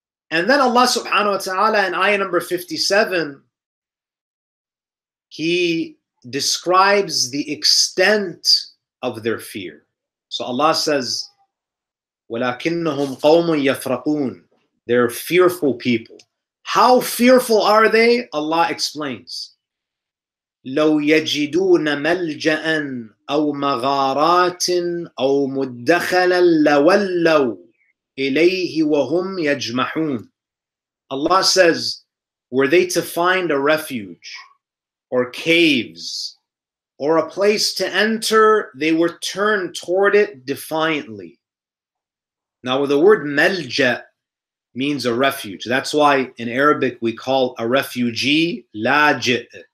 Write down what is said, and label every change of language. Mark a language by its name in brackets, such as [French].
[English] And then Allah subhanahu wa ta'ala in ayah number 57, he describes the extent of their fear. So Allah says, [Arabic] وَلَكِنَّهُمْ قَوْمٌ يَفْرَقُونَ. [English] They're fearful people. How fearful are they? [Arabic] Allah explains, لَوْ يَجِدُونَ مَلْجَأً أَوْ مَغَارَاتٍ أَوْ مُدَّخَلًا لَوَلَّوْا إِلَيْهِ وَهُمْ يَجْمَحُونَ. [English] Allah says, were they to find a refuge or caves or a place to enter, they would turn toward it defiantly. Now with the word مَلْجَأ, means a refuge. That's why in Arabic we call a refugee لاجئ.